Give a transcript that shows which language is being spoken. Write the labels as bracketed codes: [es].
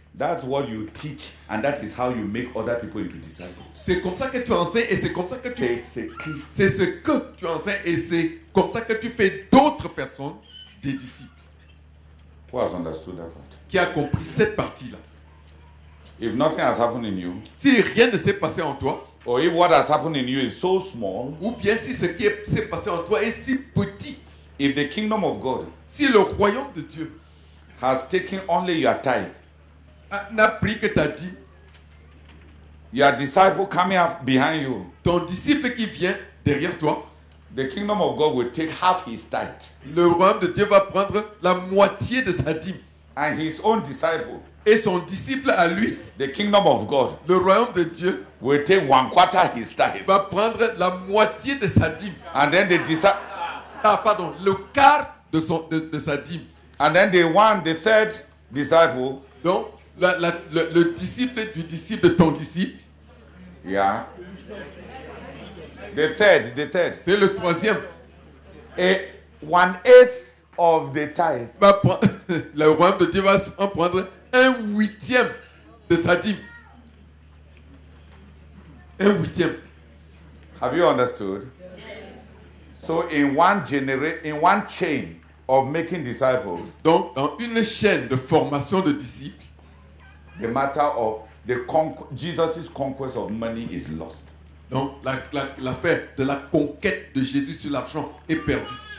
[en] That's what you teach, and that is how you make other people into disciples. [fr] C'est comme ça que tu enseignes et c'est comme ça que tu c'est ce que tu enseignes et c'est comme ça que tu fais d'autres personnes des disciples. [en] Who has understood that part? [fr] Qui a compris cette partie-là? [en] If nothing has happened in you, [fr] si rien ne s'est passé en toi, [en] or if what has happened in you is so small, [fr] ou bien si ce qui s'est passé en toi est si petit, [en] if the kingdom of God, [fr] si le royaume de Dieu [en] has taken only your tithe, [fr] n'a pris que ta dîme, [en] your disciple coming up behind you, [fr] ton disciple qui vient derrière toi, [en] the kingdom of God will take half his tithe, [fr] le royaume de Dieu va prendre la moitié de sa dîme, [en] and his own disciple, [fr] et son disciple à lui, [en] the kingdom of God, [fr] le royaume de Dieu, [en] will take one quarter his tithe, [fr] va prendre la moitié de sa dîme, [en] and then the disciple, [fr] le quart de sa dîme. [en] And then the one, the third disciple. [fr] Donc, le disciple du disciple de ton disciple. [en] Yeah. The third. [fr] C'est le troisième. [en] Et one eighth of the tithe. [fr] Le royaume de Dieu va en prendre un huitième de sa dîme. Un huitième. [en] Have you understood? So in one in one chain of making disciples, [fr] donc dans une chaîne de formation de disciples, [en] the matter of the Jesus's conquest of money is lost. [fr] Donc l'affaire de la conquête de Jésus sur l'argent est perdue.